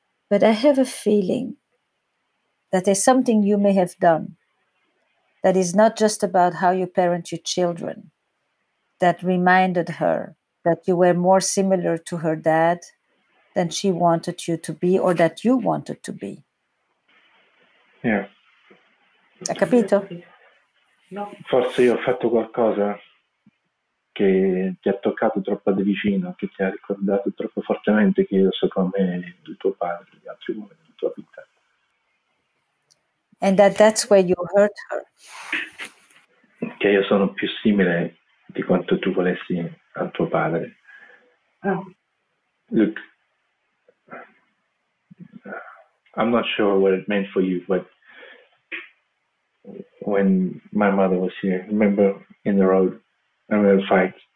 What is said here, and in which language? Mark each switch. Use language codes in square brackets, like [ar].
[en] But I have a feeling that there's something you may have done that is not just about how you parent your children, that reminded her that you were more similar to her dad than she wanted you to be or that you wanted to be. Yeah. [it] A capito? No. Forse io ho fatto qualcosa che ti ha toccato troppo di vicino, che ti ha ricordato troppo fortemente che io so come il tuo padre, gli altri uomini della tua vita. [en] And that's where you hurt her. [it] Che io sono più simile di quanto tu volessi al tuo padre. Oh. [en] Look, I'm not sure what it meant for you, but when my mother was here, remember in the road, I remember the fight.